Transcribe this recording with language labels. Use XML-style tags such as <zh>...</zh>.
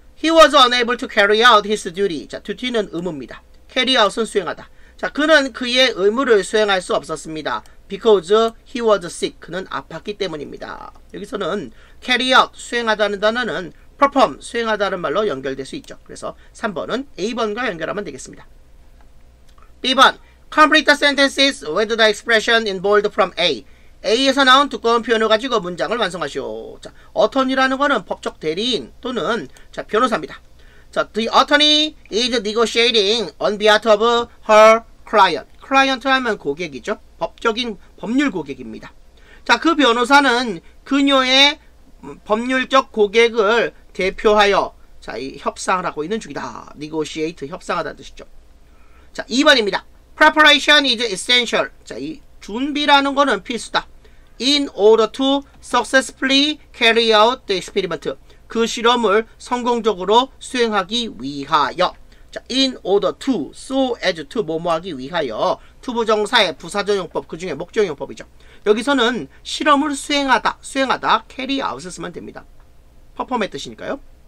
<en>He was unable to carry out his duty.</en> <ko>자, duty는 의무입니다. carry out은 수행하다. 자, 그는 그의 의무를 수행할 수 없었습니다.</ko> <en>Because he was sick는</en> <ko>아팠기 때문입니다. 여기서는 carry out, 수행하다는 단어는 perform, 수행하다는 말로 연결될 수 있죠. 그래서 3번은 A번과 연결하면 되겠습니다.</ko> <en>B번, complete the sentences with the expression in bold from A.</en> <ko>A에서 나온 두꺼운 표현을 가지고 문장을 완성하시오. 자, attorney라는 거는 법적 대리인 또는 자, 변호사입니다.</ko> <en>자, the attorney is negotiating on behalf of her client.</en> <ko>client 하면 고객이죠. 법적인 법률 고객입니다. 자, 그 변호사는 그녀의 법률적 고객을 대표하여 자, 이 협상을 하고 있는 중이다. negotiate 협상하다는 뜻이죠. 자, 2번입니다.</ko> <en>preparation is essential.</en> <ko>자, 이 준비라는 거는 필수다.</ko> <en>in order to successfully carry out the experiment.</en> <ko>그 실험을 성공적으로 수행하기 위하여. 자, in order to, so as to, 뭐뭐하기 위하여. to 부정사의 부사전용법, 그 중에 목적용법이죠. 여기서는 실험을 수행하다, 수행하다, carry out을 쓰면 됩니다. perform의 뜻이니까요.</ko>